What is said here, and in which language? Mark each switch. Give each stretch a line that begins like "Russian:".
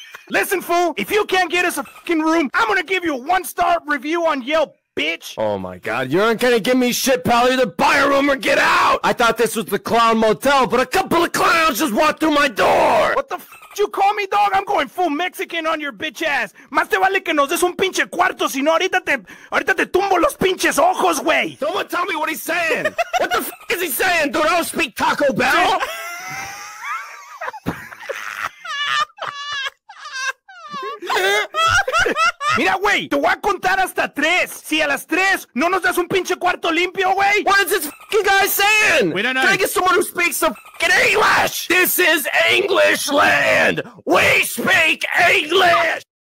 English: Listen, fool, if you can't get us a fucking room, I'm gonna give you a one-star review on Yelp, bitch! Oh my god, you aren't gonna give me shit, pal. Either buy a room or get out! I thought this was the clown motel, but a couple of clowns just walked through my door! What the f***? Did you call me, dog? I'm going full Mexican on your bitch ass.
Spanish: Más te vale que nos des un pinche cuarto, si no ahorita te tumbo los pinches ojos, güey.
English: Someone tell me what he's saying. What the fuck is he saying? Dude, I don't speak Taco Bell.
Spanish: Mira, güey, te voy a contar hasta tres. Si a las tres no nos das un pinche cuarto limpio, güey.
English: What is this fucking guy saying? We don't know. Can I get someone who speaks some fucking English? This is English land. We speak English.